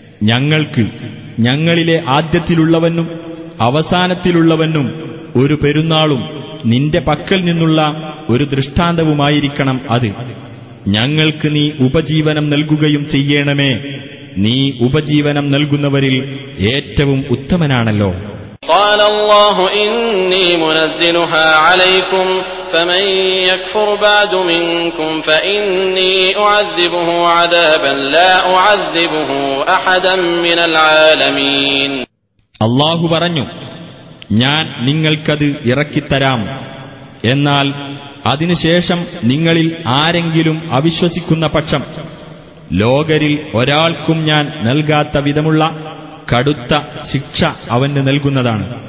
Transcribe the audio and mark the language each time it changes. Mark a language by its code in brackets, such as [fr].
[ml] ഞങ്ങൾക്ക് ഞങ്ങളിലെ ആദ്യത്തിലുള്ളവനും അവസാനത്തിലുള്ളവനും ഒരു പെരുന്നാളും നിന്റെ പക്കൽ നിന്നുള്ള ഒരു ദൃഷ്ടാന്തവുമായിരിക്കണം അത്. ഞങ്ങൾക്ക് നീ ഉപജീവനം നൽകുകയും ചെയ്യേണമേ. നീ ഉപജീവനം നൽകുന്നവരിൽ ഏറ്റവും ഉത്തമനാണല്ലോ. [ar] قال الله إني منزلها عليكم فمن يكفر بعد منكم فإني أعذبه عذابا لا أعذبه أحدا من العالمين. [ml] الله പറഞ്ഞു, ഞാൻ നിങ്ങൾക്കത് ഇറക്കിത്തരാം, എന്നാൽ അതിനുശേഷം നിങ്ങളിൽ ആരെങ്കിലും അവിശ്വസിക്കുന്ന പക്ഷം ലോകരിൽ ഒരാൾക്കും ഞാൻ നൽകാത്ത വിധമുള്ള കടുത്ത ശിക്ഷ അവന് നൽകുന്നതാണ്.